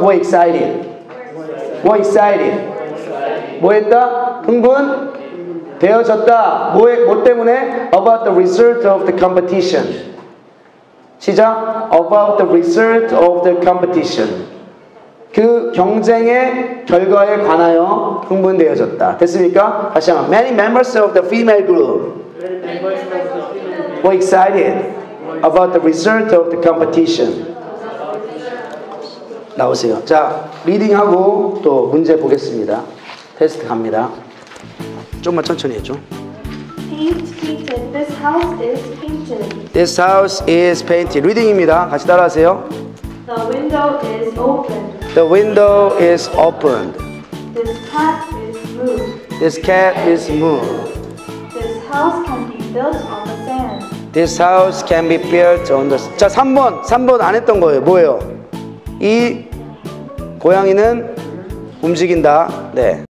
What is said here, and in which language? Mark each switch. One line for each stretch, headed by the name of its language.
English: were excited. were excited.
Korean: 뭐 했다? 흥분? 되어졌다. 뭐 때문에?
English: about the result of the competition.
Korean: 시작.
English: about the result of the competition.
Korean: 그 경쟁의 결과에 관하여 흥분되어졌다. 됐습니까? 다시 한번.
English: many members of the female group were excited. About the result of the competition.
Korean: 나오세요. 자, 리딩하고 또 문제 보겠습니다. 테스트 갑니다. 좀만 천천히 해줘.
English: Paint, painted. This house is painted. This house is painted.
Korean: 리딩입니다. 같이 따라하세요.
English: The window is opened. The window is opened. This cat is moved. This cat is moved. This house can be built on the sand. This house can be built on the...
Korean: 자, 3번! 3번 안 했던 거예요. 뭐예요? 이 고양이는 움직인다. 네.